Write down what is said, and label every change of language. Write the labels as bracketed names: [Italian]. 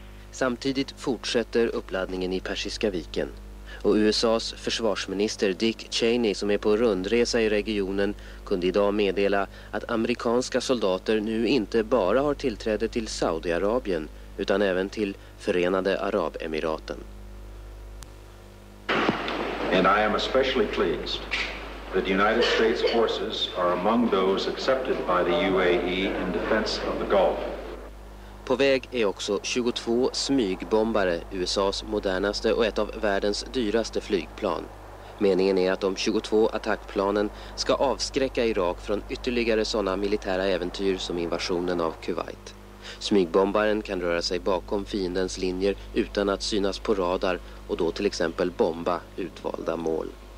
[Swedish] Samtidigt fortsätter uppladdningen i Persiska viken. Och USAs försvarsminister Dick Cheney, som är på rundresa i regionen, kunde idag meddela att amerikanska soldater nu inte bara har tillträde till Saudiarabien utan även till Förenade Arabemiraten. [English] And I am especially pleased that the United States forces are among those accepted by the UAE in defense of the Gulf. [Swedish] På väg är också 22 smygbombare, USAs modernaste och ett av världens dyraste flygplan. Meningen är att de 22 attackplanen ska avskräcka Irak från ytterligare sådana militära äventyr som invasionen av Kuwait. Smygbombaren kan röra sig bakom fiendens linjer utan att synas på radar och då till exempel bomba utvalda mål.